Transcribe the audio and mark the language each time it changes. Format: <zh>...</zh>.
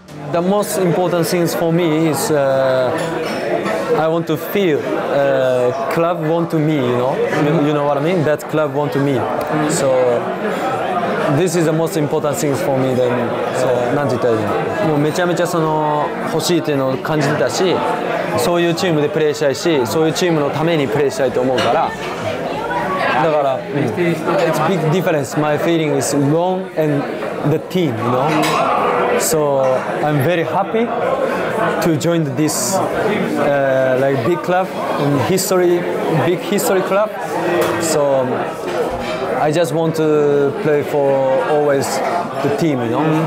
<en>The most important things for me is I want to feel club want to me, you know. You know what I mean? That club want to me. So this is the most important things for me. Then, so,</en> <ja>なんて言ったらいいの？もうめちゃめちゃその欲しいっていうのを感じてたし、そういうチームでプレーしたいし、そういうチームのためにプレーしたいと思うから。だから、</ja> <en>it's big difference. My feeling is long and the team, you know. So I'm very happy to join this like big club in history, big history club. So I just want to play for always the team, you know.</en>